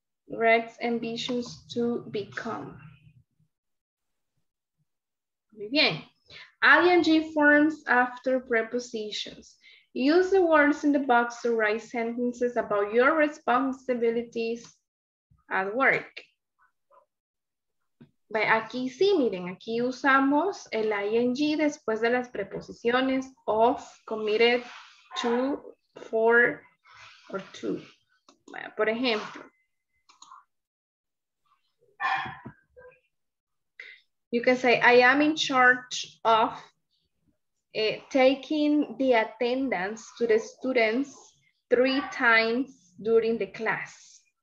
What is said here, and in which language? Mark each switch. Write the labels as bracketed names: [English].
[English] Rex's ambitions to become. [Spanish] Muy bien. [English] ING forms after prepositions. Use the words in the box to write sentences about your responsibilities at work. [Spanish] Aquí sí, miren, aquí usamos el ING después de las preposiciones of, committed, to, for, or to. Por ejemplo, [English] You can say, I am in charge of taking the attendance to the students 3 times during the class.